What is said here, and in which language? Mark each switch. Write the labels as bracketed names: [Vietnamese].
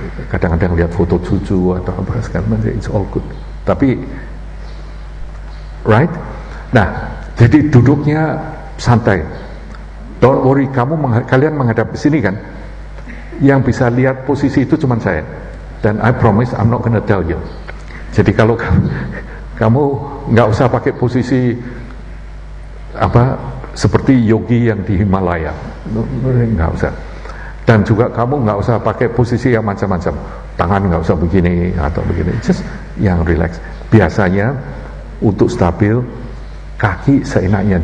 [Indonesian] Kadang-kadang lihat foto cucu atau apa segala, [English] it's all good. [Indonesian] Tapi, right? Nah, jadi duduknya santai. [English] Don't worry, [Indonesian] kalian menghadap ke sini kan? Yang bisa lihat posisi itu cuma saya. Dan [English] I promise I'm not gonna tell you. [Indonesian] Jadi kalau kamu gak usah pakai posisi apa seperti yogi yang di Himalaya, gak usah. Dan juga kamu gak usah pakai posisi yang macam-macam. Tangan gak usah begini atau begini. Just yang relax. Biasanya untuk stabil, kaki seenaknya.